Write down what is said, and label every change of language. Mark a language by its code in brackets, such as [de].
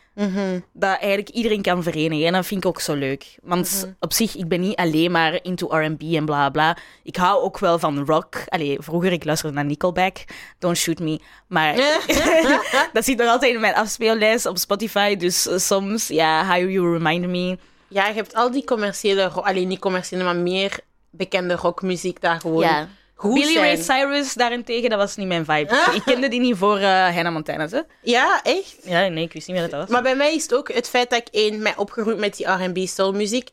[nl] Mm-hmm. Dat eigenlijk iedereen kan verenigen. En dat vind ik ook zo leuk. Want op zich, ik ben niet alleen maar into R&B en bla bla. Ik hou ook wel van rock. Allee, vroeger, ik luisterde naar Nickelback. [en] Don't shoot me. [nl] Maar dat zit nog altijd in mijn afspeellijst op Spotify. Dus soms, ja, how you remind me. Ja, je hebt al die commerciële... alleen niet commerciële, maar meer bekende rockmuziek daar gewoon... Ja. Billy Ray Cyrus daarentegen, dat was niet mijn vibe. Ah. Ik kende die niet voor Hannah Montana, hè? Ja, echt? Ja, nee, ik wist niet meer dat was. Maar bij mij is het ook het feit dat ik mij opgegroeid met die R&B soul muziek.